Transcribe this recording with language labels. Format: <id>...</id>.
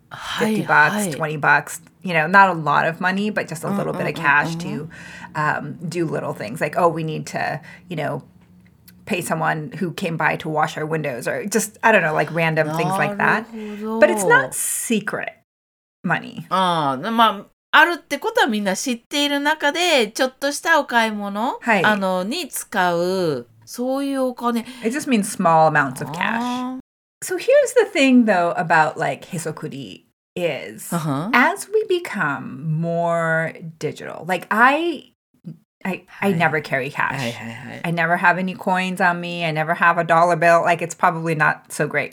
<en>$50, $20, you know, not a lot of money, but just a little bit of cash to do little things like, oh, we need to, you know, pay someone who came by to wash our windows or just, I don't know, like random things like that. But it's not secret money.</en> <ja>まあ、あるってことはみんな知っている中で、ちょっとしたお買い物、はい、あのに使う、そういうお金。</ja> <en>It just means small amounts of cash. So here's the thing, though, about, like, hisokuri is, as we become more digital, like, I never carry cash.</en> <ja>はい。</ja> <en>I never have any coins on me. I never have a dollar bill. Like, it's probably not so great.</en>